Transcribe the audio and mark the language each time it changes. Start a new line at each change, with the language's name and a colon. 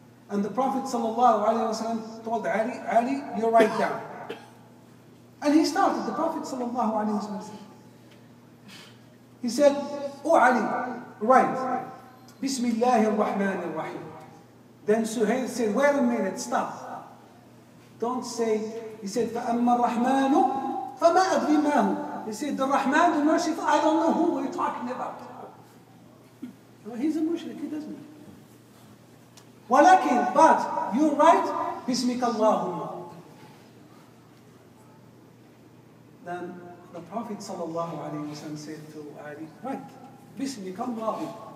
English: And the Prophet ﷺ told Ali, you write down. And he started, the Prophet sallallahu alaihi wasallam. He said, oh Ali, write.
Arabic: Bismillah ar-Rahman ar-Rahim.
English: Then Suhail said, wait a minute, stop. Don't say, he said,
Arabic: فَأَمَّا الرَّحْمَانُ فَمَا أَدْرِي مَا هُ.
English: He said, the Rahman, the merciful, I don't know who we're talking about. Well, he's a mushrik, he doesn't. Walakin, but you write,
Arabic: بِسْمِكَ اللَّهُمَّ.
English: Then the Prophet ﷺ said to Ali, right,
Arabic: bismika Allahu.